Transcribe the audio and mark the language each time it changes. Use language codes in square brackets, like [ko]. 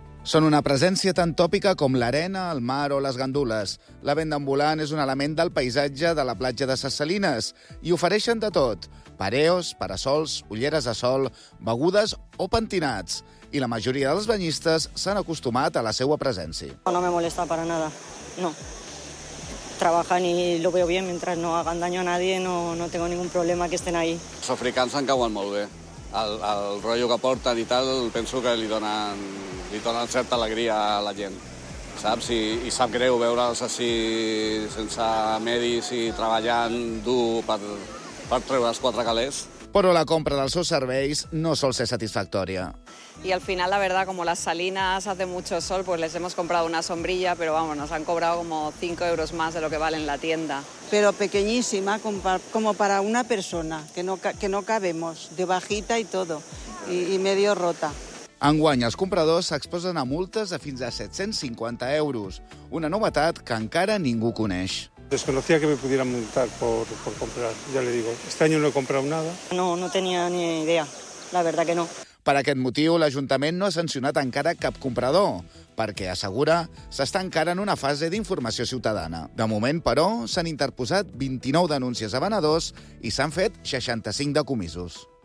[ca] Són una presència tan tòpica com l'arena, el mar o les gandules. La venda ambulant és un element del paisatge de la platja de Ses Salines i ofereixen de tot: pareos, parasols, ulleres de sol, begudes o pentinats. I la majoria dels banyistes s'han acostumat a la seva presència. [es] No me molesta para nada, no. Trabajan y lo veo bien, mientras no hagan daño a nadie, no tengo ningún problema que estén ahí. [ca] Els africans en cauen molt bé. El rotllo que porten i tal, penso que li donen certa alegria a la gent. Saps? I sap greu veure'ls així sense medis i treballant dur per treure els quatre calés. Però la compra dels seus serveis no sol ser satisfactòria. [es] Y al final, la verdad, como las salinas hace mucho sol, pues les hemos comprado una sombrilla, pero vamos, nos han cobrado como 5 euros más de lo que vale en la tienda. Pero pequeñísima, como para una persona, que no cabemos, de bajita y todo, y medio rota. [ca] Enguany, els compradors s'exposen a multes de fins a 750 euros, una novetat que encara ningú coneix. [es] Desconocía que me pudieran multar por comprar, ya le digo. Este año no he comprado nada. No tenía ni idea, la verdad que no. [ca] Per aquest motiu, l'Ajuntament no ha sancionat encara cap comprador, perquè, assegura, s'està encara en una fase d'informació ciutadana. De moment, però, s'han interposat 29 denúncies a venedors i s'han fet 65 decomisos.